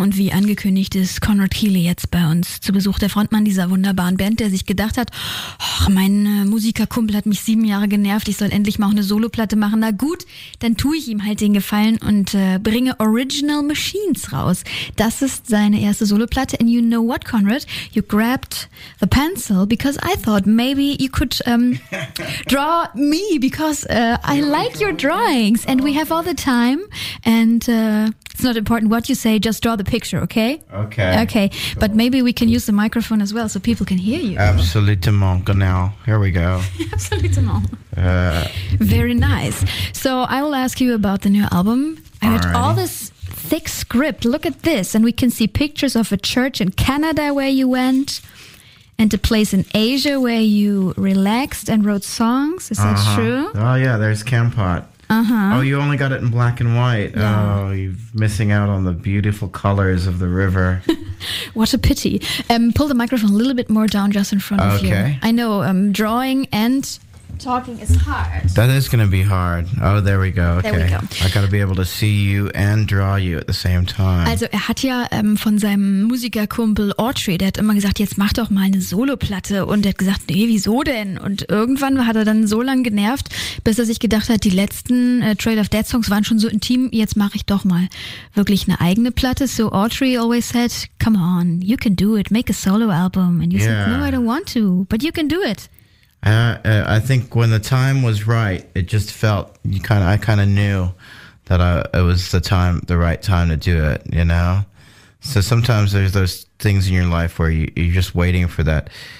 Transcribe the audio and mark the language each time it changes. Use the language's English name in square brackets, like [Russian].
[German] Und wie angekündigt ist Konrad Keeley jetzt bei uns zu Besuch, der Frontmann dieser wunderbaren Band, der sich gedacht hat, ach, mein Musikerkumpel hat mich 7 Jahre genervt, ich soll endlich mal auch eine Soloplatte machen. Na gut, dann tue ich ihm halt den Gefallen und bringe Original Machines raus. Das ist seine erste Soloplatte. [English] And you know what, Konrad? You grabbed the pencil because I thought maybe you could draw me because I like your drawing. And we have all the time, and it's not important what you say, just draw the picture, okay? Okay. Cool. But maybe we can use the microphone as well, so people can hear you. [French] Absolutement, [German] genau. [English] Here we go. [French] Absolutement. [English] Very nice. So I will ask you about the new album. I read all this thick script, look at this, and we can see pictures of a church in Canada where you went, and a place in Asia where you relaxed and wrote songs. Is that true? Oh yeah, there's Campot. Uh-huh. Oh, you only got it in black and white. Yeah. Oh, you're missing out on the beautiful colors of the river. What a pity. Pull the microphone a little bit more down just in front of you. Okay. I know drawing and talking is hard. That is going to be hard. Oh, there we go. Okay. There we go. I got to be able to see you and draw you at the same time. [German] Also, hat ja von seinem Musikerkumpel Autry, der hat immer gesagt, jetzt mach doch mal eine Soloplatte. Und er hat gesagt, nee, wieso denn? Und irgendwann hat er dann so lange genervt, bis er sich gedacht hat, die letzten Trail of Dead Songs waren schon so intim, jetzt mache ich doch mal wirklich eine eigene Platte. [English] So Autry always said, come on, you can do it, make a solo album. And you said, no, I don't want to, but you can do it. I think when the time was right, it just felt I kind of knew that it was the right time to do it, you know? So sometimes there's those things in your life where you're just waiting for that.